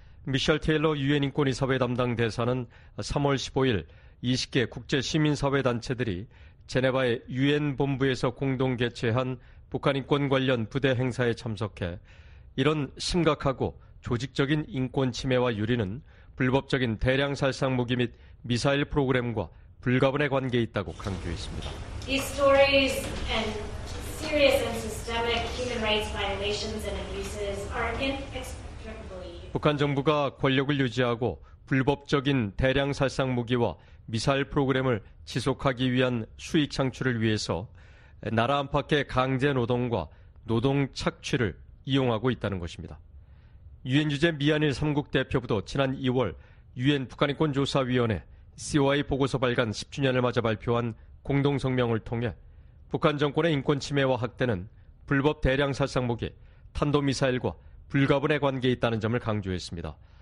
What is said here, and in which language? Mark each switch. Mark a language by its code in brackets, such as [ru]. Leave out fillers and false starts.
[ko] 미셸 테일러 유엔 인권이사회 담당 대사는 3월 15일 20개 국제시민사회단체들이 제네바의 유엔 본부에서 공동 개최한 북한인권 관련 부대 행사에 참석해 이런 심각하고 조직적인 인권 침해와 유린은 불법적인 대량 살상 무기 및 미사일 프로그램과 불가분의 관계에 있다고 강조했습니다. [en] These stories and serious and systemic human rights violations and abuses are inextricably... [ko] 북한 정부가 권력을 유지하고 불법적인 대량 살상 무기와 미사일 프로그램을 지속하기 위한 수익 창출을 위해서 나라 안팎의 강제 노동과 노동 착취를 이용하고 있다는 것입니다. 유엔 주재 미안일 3국 대표부도 지난 2월 유엔 북한인권조사위원회 COI 보고서 발간 10주년을 맞아 발표한 공동성명을 통해 북한 정권의 인권 침해와 학대는 불법 대량 살상 무기, 탄도미사일과 불가분의 관계에 있다는 점을 강조했습니다.